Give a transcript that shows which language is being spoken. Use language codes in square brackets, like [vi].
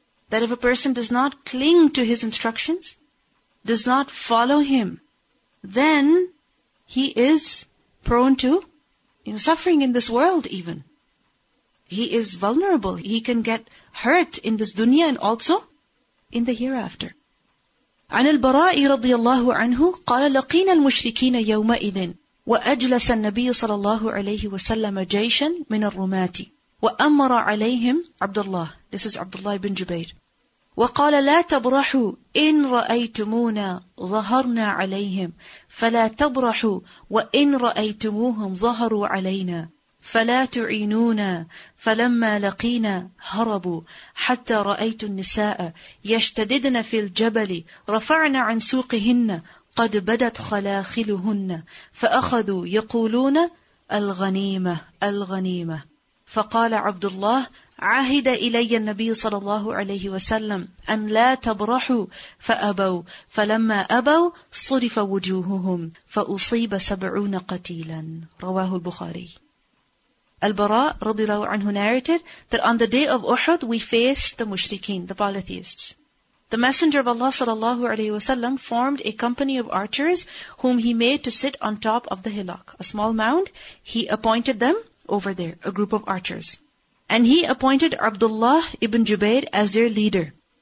[en] That if a person does not cling to his instructions, does not follow him, then he is prone to, you know, suffering in this world even. He is vulnerable. He can get hurt in this dunya and also in the hereafter. [ar] عن البراء رضي الله عنه قال لقينا المشركين يومئذ وأجلس النبي صلى الله عليه وسلم جيشا من الرماة وأمر عليهم عبد الله. [en] This is Abdullah ibn Jubayr. [ar] وقال لا تبرحوا إن رأيتمونا ظهرنا عليهم فلا تبرحوا وإن رأيتموهم ظهروا علينا فلا تعينونا فلما لقينا هربوا حتى رأيت النساء يشتددن في الجبل رفعن عن سوقهن قد بدت خلاخلهن فأخذوا يقولون الغنيمة الغنيمة فقال عبد الله عهد إلي النبي صلى الله عليه وسلم أن لا تبرحوا فأبوا فلما أبوا صرف وجوههم فأصيب 70 قتيلا رواه البخاري. [en] البراء رضي الله عنه narrated that on the day of Uhud we faced the mushrikeen, the polytheists. The Messenger of Allah صلى الله عليه وسلم formed a company of archers whom he made to sit on top of the hillock, a small mound. He appointed them over there, a group of archers. And he appointed Abdullah ibn Jubayr as their leader.